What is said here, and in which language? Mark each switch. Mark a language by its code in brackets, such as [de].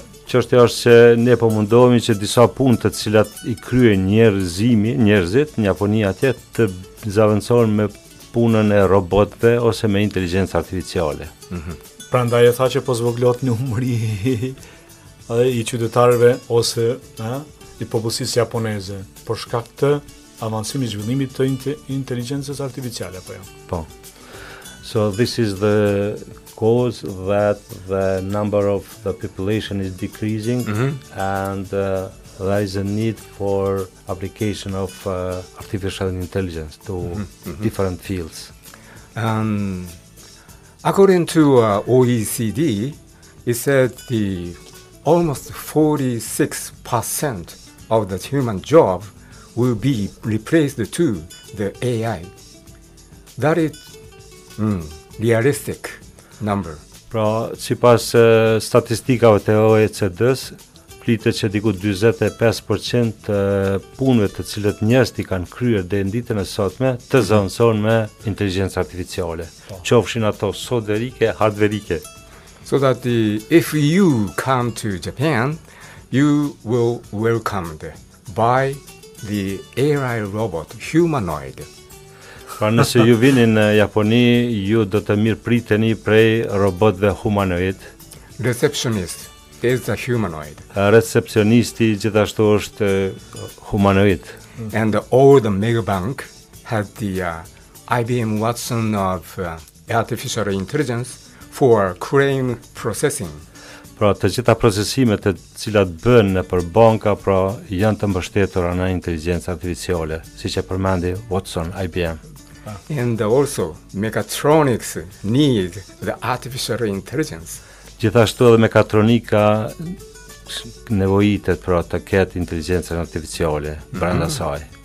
[sq] Çështja është se ne po mundohemi që disa punë të cilat i kryen njerëzit në Japoni atje të zaavancohen me punën e robotëve ose me inteligjencë artificiale. Mhm. Prandaj e tha që po zvoglohet numri i qytetarëve ose i popullsisë japoneze për shkak të avancimit të zhvillimit të inteligjencës artificiale apo jo. Po. [en] So this is the cause that the number of the population is decreasing, mm-hmm. and there is a need for application of artificial intelligence to different fields. According to OECD, it said the almost 46% of the human job will be replaced to the AI. That is realistic. Number. [sq] Pra, si pas statistikave të OECD-s, plitet që diku 25% të punve të cilët njerëzit i kanë kryer dhe nditën e sotme të zëvendësohen me inteligjencë artificiale, qofshin ato soderike, hardverike. [en] So that if you come to Japan, you will welcomed by the AI robot humanoid. [sq] Pra nëse ju vini në Japoni, ju do të mirë priteni prej robotëve humanoid. [en] Receptionist, there's a humanoid. [sq] Recepcionisti gjithashtu është humanoid. [en] And all the megabank had the IBM Watson of artificial intelligence for claim processing. [sq] Pra të gjitha procesimet e cilat bën në për banka, pra janë të mbështetura në inteligencë artificiale, si që përmendi Watson, IBM. [en] And also, mechatronics need the artificial intelligence. [sq] Gjithashtu edhe mechatronika nevojitet pra të ketë inteligencën artificiale, brenda saj.